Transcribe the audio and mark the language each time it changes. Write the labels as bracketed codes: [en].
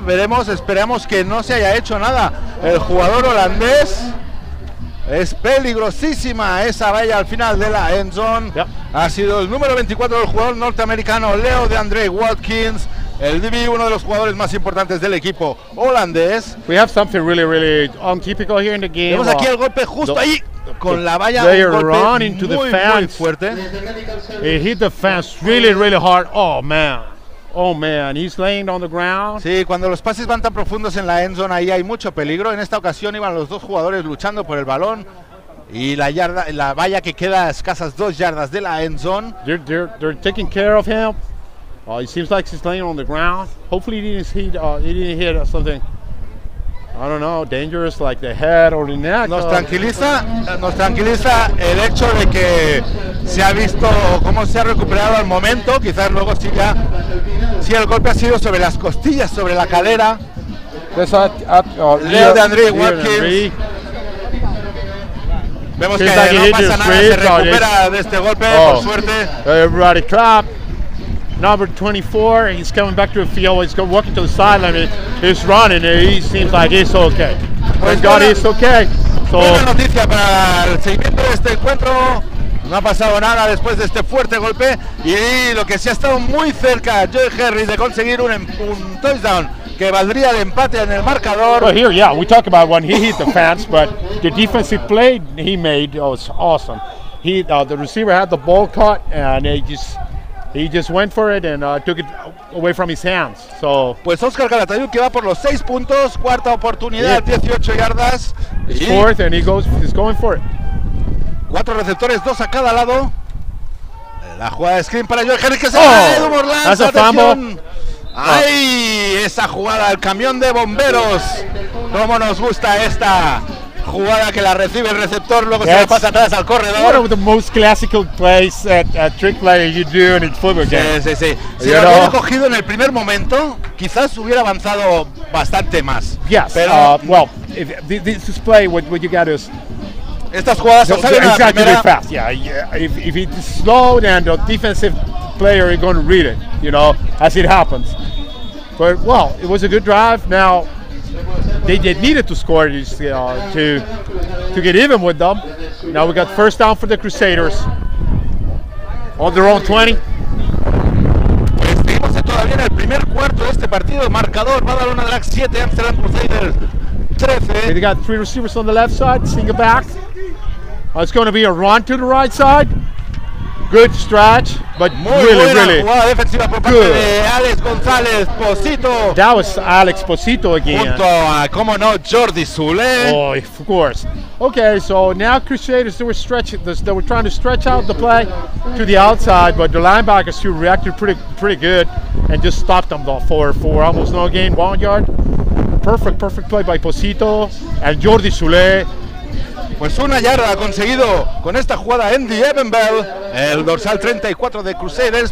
[es] Veremos, esperamos que no se haya hecho nada el jugador holandés. Es peligrosísima esa valla al final de la end zone. [en] Yep. [es] Ha sido el número 24 del jugador norteamericano Leo DeAndre Watkins, el DB, uno de los jugadores más importantes del equipo holandés. [en] We have something really, really untypical here in the game. [es] Vemos aquí el golpe justo ahí con la valla. [en] They run into [es] muy, [en] the fence. [es] Muy fuerte. [en] He hit the fence really, really hard. Oh man, he's laying on the ground. [es] Sí, cuando los pases van tan profundos en la end zone, ahí hay mucho peligro. En esta ocasión iban los dos jugadores luchando por el balón y la valla que queda a escasas dos yardas de la end zone. [en] They're taking care of him. It seems like he's laying on the ground. Hopefully he didn't hit something. I don't know, dangerous like the head or the neck. [es] Nos tranquiliza el hecho de que se ha visto cómo se ha recuperado al momento. Quizás luego siga. Si el golpe ha sido sobre las costillas, sobre la cadera. Leo de André Watkins. Vemos que no pasa nada, se recupera de este golpe, por suerte. [en] Everybody clap. Number 24, he's coming back to the field, he's walking to the sideline, he's running, he seems like he's okay. Thank God he's okay. [es] So, buena noticia para el seguimiento de este encuentro, no ha pasado nada después de este fuerte golpe, y lo que sí ha estado muy cerca, Joe Henry, de conseguir un touchdown que valdría el empate en el marcador. [en] Well, here, yeah, we talk about when he hit the fence, but the defensive play he made was awesome. The receiver had the ball caught, and he just went for it and took it away from his hands. So, [es] pues Oscar Calatayud que va por los 6 puntos, cuarta oportunidad, 18 yardas. [en] It's fourth and he's going for it. [es] Cuatro receptores, dos a cada lado. La jugada de screen para Joe Henry que se va a Edu Morland. [en] That's a fumble. [es] ¡Ay! Esa jugada, el camión de bomberos. ¿Cómo nos gusta esta jugada que la recibe el receptor, luego se la pasa atrás al corredor? [en] One of the most classical plays, a trick play you do in a football game. [es] Sí. Si lo hubiera cogido en el primer momento, quizás hubiera avanzado bastante más. [en] Yes. [es] Pero, [en] this play, what you got is. [es] Estas jugadas son salen a la primera. [en] Exactly fast. Yeah. If it's slow, then the defensive player is going to read it, you know, as it happens. But well, it was a good drive. Now. They needed to score to get even with them. Now we got first down for the Crusaders on their own 20. [es] Seguimos termina el primer cuarto de este partido. Marcador, Badalona Drax 7, Amsterdam Crusaders 13. [en] They got three receivers on the left side, single back. It's going to be a run to the right side. Good stretch, but [es] muy buena jugada defensiva por parte de Alex González Pocito. [en] That was Alex Pocito again. [es] Junto a, como no, Jordi Zule. [en] Oh, of course. Okay, so now Crusaders, they were trying to stretch out the play to the outside, but the linebackers who reacted pretty good and just stopped them for almost no gain, 1 yard. Perfect play by Pocito and Jordi Zule. [es] Pues una yarda ha conseguido con esta jugada Andy Evenbell, el dorsal 34 de Crusaders.